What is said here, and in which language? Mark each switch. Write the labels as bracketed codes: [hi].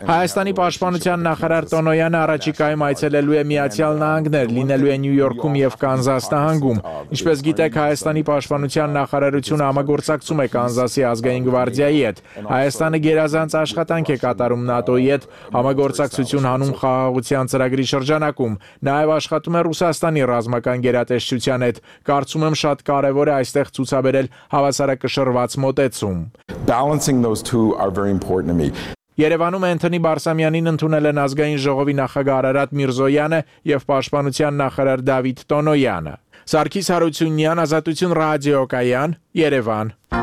[hy] Հայաստանի պաշտպանության նախարար Տոնոյանը առաջիկայում այցելելու է Միացյալ Նահանգներ, լինելու է Նյու Յորքում և Կանզաս նահանգում։ Ինչպես գիտեք, Հայաստանի պաշտպանության նախարարությունը համագործակցում է Կանզասի ազգային գվարդիայի հետ։ Հայաստանը գերազանց աշխատանք է կատարում ՆԱՏՕ-ի հետ, համագործակցություն հանում խաղաղության ծրագրի շրջանակում, նաև աշխատում է Ռուսաստանի ռազմական գերատեսչության հետ։ Կարծում եմ, շատ կարևոր է այստեղ ցուցաբերել հավասարակշռված մոտեցում։ [en] Balancing those two are very important to me. [hy] Երևանում Անթոնի Բարսամյանին ընդունել են ազգային ժողովի նախագահ Արարատ Միրզոյանը և պաշտպանության նախարար Դավիթ Տոնոյանը։ Սարգիս Հարությունյան, Ազատություն ռադիո, Կայան, Երևան։